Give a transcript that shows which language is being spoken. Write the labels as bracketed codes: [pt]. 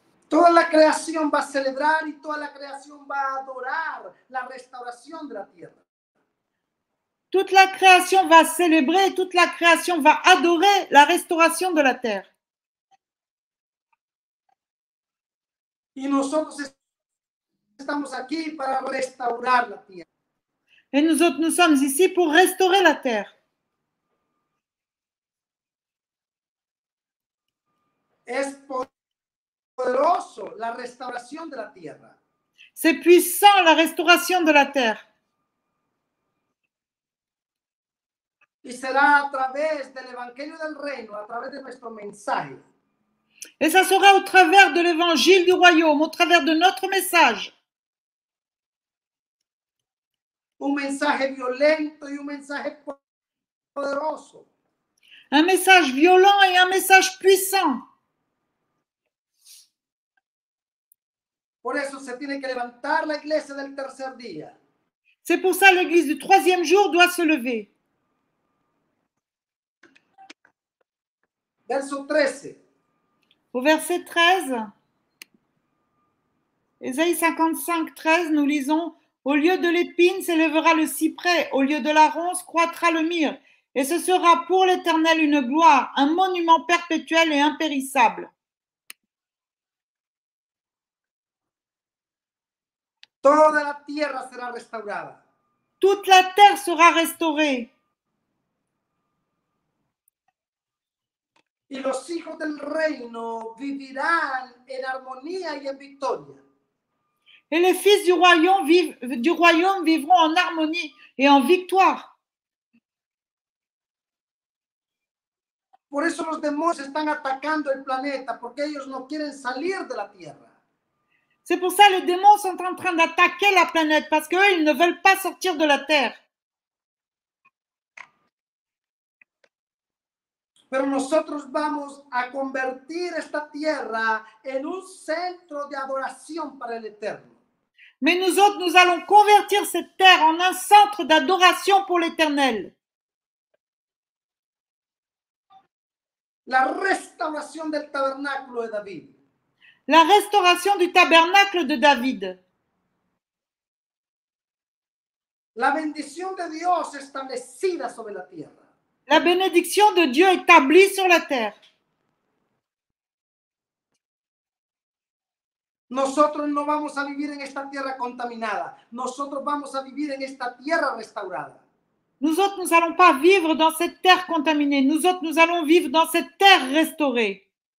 [es] Toda la creación va a celebrar y toda la creación va a adorar la restauración de la tierra. [fr] Toute la création va célébrer et toute la création va adorer la restauration de la terre. [es] Y nosotros estamos aquí para restaurar la tierra. [fr] Et nous autres, nous sommes ici pour restaurer la terre. [es] Es poderoso la restauración de la tierra. [fr] C'est puissant la restauration de la terre. [es] Y será a través del Evangelio del Reino, a través de nuestro mensaje. [fr] Et ça sera au travers de l'évangile du royaume, au travers de notre message. [es] Un mensaje violento y un mensaje poderoso. [fr] Un message violent et un message puissant. [es] Por eso se tiene que levantar la iglesia del tercer día. [fr] C'est pour ça l'église du troisième jour doit se lever. [es] Verso 13. [fr] Au verset 13, Isaïe 55:13, nous lisons « Au lieu de l'épine s'élèvera le cyprès, au lieu de la ronce croîtra le myrrhe, et ce sera pour l'Éternel une gloire, un monument perpétuel et impérissable. » [es] Toda la tierra sera restaurada. [fr] Toute la terre sera restaurée. [es] Y los hijos del reino vivirán en armonía y en victoria. [fr] Et les fils du royaume vivront en harmonie et en victoire. [es] Por eso los demonios están atacando el planeta, porque ellos no quieren salir de la tierra. [fr] C'est pour ça les démons sont en train d'attaquer la planète, parce qu'eux, ils ne veulent pas sortir de la terre. [es] Pero nosotros vamos a convertir esta tierra en un centro de adoración para el Eterno. [fr] Mais nous autres, nous allons convertir cette terre en un centre d'adoration pour l'Éternel. [es] La restauración del tabernáculo de David. [fr] La restauration du tabernacle de David. [es] La bendición de Dios establecida sobre la tierra. [fr] La bénédiction de Dieu établie sur la terre. [es] Nosotros no vamos a vivir en esta tierra contaminada. Nosotros vamos a vivir en esta tierra restaurada. [fr] Nous autres, nous allons pas vivre dans cette terre contaminée. Nous autres, nous allons vivre dans cette terre restaurée.